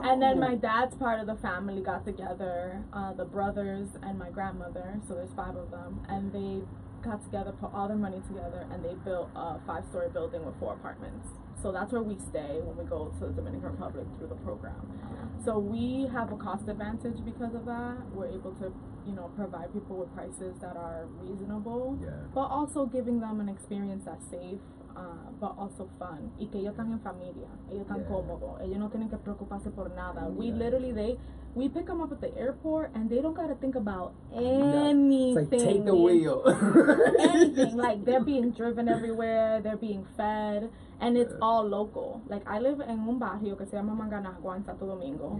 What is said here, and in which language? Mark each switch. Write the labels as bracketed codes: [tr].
[en] And then my dad's part of the family got together, the brothers and my grandmother, so there's five of them, and they got together, put all their money together, and they built a five-story building with four apartments. So that's where we stay when we go to the Dominican Republic through the program. So we have a cost advantage because of that. We're able to, you know, provide people with prices that are reasonable, yeah, but also giving them an experience that's safe. But also fun. [es] Y que ellos están en familia. Ellos están cómodos. Ellos no tienen que preocuparse por nada. [en] We literally, we pick them up at the airport and they don't got to think about anything. It's like, take the wheel. Anything. Like, they're being driven everywhere. They're being fed. And it's all local. Like, I live in [es] un barrio que se llama Manganagua en Santo Domingo.